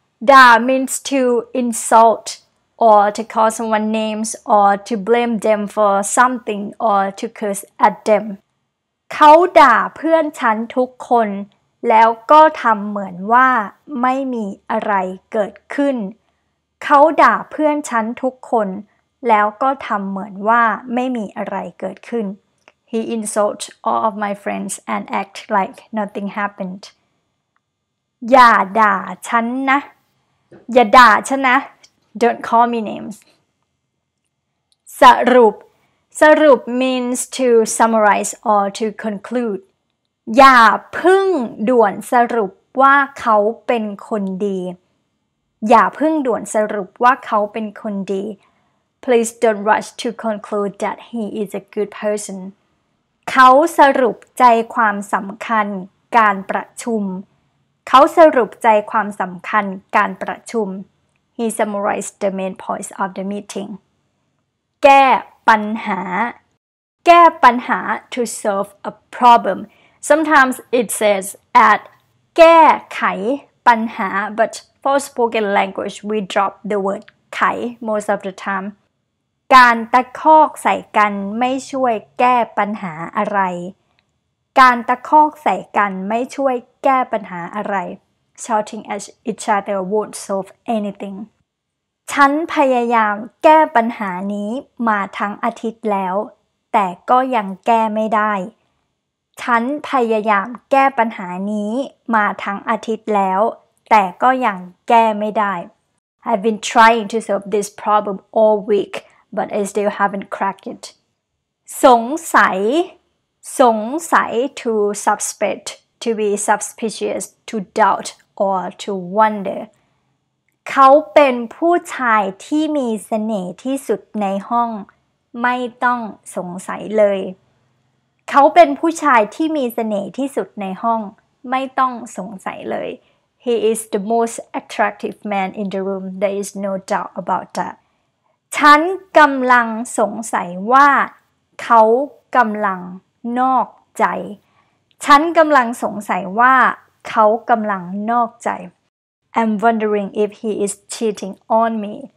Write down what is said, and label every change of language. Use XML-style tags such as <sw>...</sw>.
<en>Da means to insult or to call someone names or to blame them for something or to curse at them.</en> <th>เขาด่าเพื่อนฉันทุกคนแล้วก็ทำเหมือนว่าไม่มีอะไรเกิดขึ้นเขาด่าเพื่อนฉันทุกคนแล้วก็ทำเหมือนว่าไม่มีอะไรเกิดขึ้น</th> <en>He insults all of my friends and act like nothing happened.</en> <th>อย่าด่าฉันนะ อย่าด่าฉันนะ</th> <en>Don't call me names. สรุป สรุป means to summarize or to conclude.</en> <th>อย่าพึ่งด่วนสรุปว่าเขาเป็นคนดี อย่าพึ่งด่วนสรุปว่าเขาเป็นคนดี</th> <en>Please don't rush to conclude that he is a good person.</en> <th>เขาสรุปใจความสำคัญการประชุมเขาสรุปใจความสำคัญการประชุม</th> <en>He summarized the main points of the meeting. แก้ปัญหาแก้ปัญหา to solve a problem. Sometimes it says at</en> <th>แก้ไขปัญหา</th> <en>but for spoken language we drop the word ไข most of the time.</en> <th>การตะคอกใส่กันไม่ช่วยแก้ปัญหาอะไรการตะคอกใส่กันไม่ช่วยแก้ปัญหาอะไร</th> <en>Shouting at each other won't solve anything</en> <th>ฉันพยายามแก้ปัญหานี้มาทั้งอาทิตย์แล้วแต่ก็ยังแก้ไม่ได้ ฉันพยายามแก้ปัญหานี้มาทั้งอาทิตย์แล้วแต่ก็ยังแก้ไม่ได้</th> <en>I've been trying to solve this problem all week, but I still haven't cracked it. สงสัย สงสัย to suspect, to be suspicious, to doubt, or to wonder.</en> <th>เขาเป็นผู้ชายที่มีเสน่ห์ที่สุดในห้อง ไม่ต้องสงสัยเลย เขาเป็นผู้ชายที่มีเสน่ห์ที่สุดในห้องไม่ต้องสงสัยเลย</th> <en>He is the most attractive man in the room. There is no doubt about that.</en> <th>ฉันกำลังสงสัยว่าเขากำลังนอกใจฉันกำลังสงสัยว่าเขากำลังนอกใจ</th> <en>I'm wondering if he is cheating on me.</en>